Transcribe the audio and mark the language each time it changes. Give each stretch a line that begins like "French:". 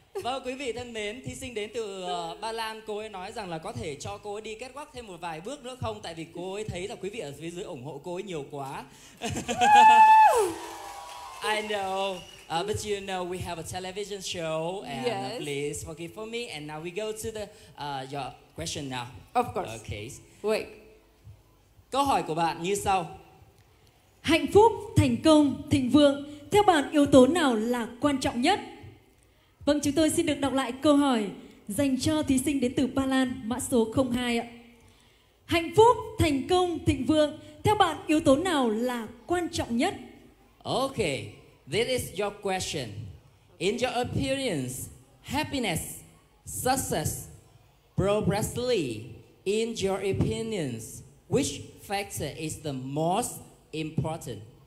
Vietnamese: Vâng, quý vị thân mến, thí sinh đến từ Ba Lan, cô ấy nói rằng là có thể cho cô ấy đi catwalk thêm một vài bước nữa không? Tại vì cô ấy thấy là quý vị ở phía dưới ủng hộ cô ấy nhiều quá.
English: I know. But you know we have a television show, and yes. Please forgive for me. And now we go to the your question now. Of course. Okay. Wait.
Vietnamese: Câu hỏi của bạn như sau. Hạnh phúc, thành công, thịnh vượng, theo bạn yếu tố nào là quan trọng nhất? Vâng, chúng tôi xin được đọc lại câu hỏi. dành cho thí sinh đến từ Ba Lan, mã số 02 ạ. Hạnh phúc, thành công, thịnh vượng, theo bạn yếu tố nào là quan trọng nhất?
English: Okay, this is your question. In your opinion, happiness, success, progressively, in your opinions, which factor is the most important?